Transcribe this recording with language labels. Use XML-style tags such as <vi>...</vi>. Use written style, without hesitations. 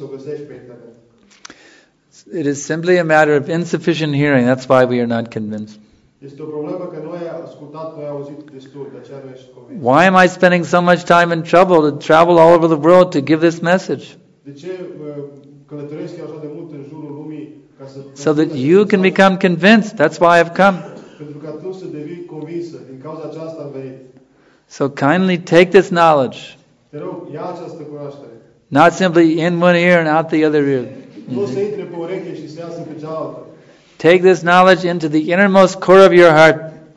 <en>It is simply a matter of insufficient hearing, that's why we are not convinced.</en> <ro>Este o problemă că nu ai ascultat, nu ai auzit destul, de aceea nu ești convins.</ro> <en>Why am I spending so much time and trouble to travel all over the world to give this message?</en> <ro>De ce călătoresc eu așa de mult în jurul lumii ca să</ro> <en>so that you can become convinced. That's why I've come.</en> <ro>Pentru că tu să devii convinsă, din cauza aceasta am venit.</ro> <en>So kindly take this knowledge.</en> <ro>Te rog, ia această cunoaștere.</ro> <en>Not simply in one ear and out the other ear.</en> <ro>Nu să intre pe ureche și să iasă pe cealaltă.</ro> <en>Take this knowledge into the innermost core of your heart.</en>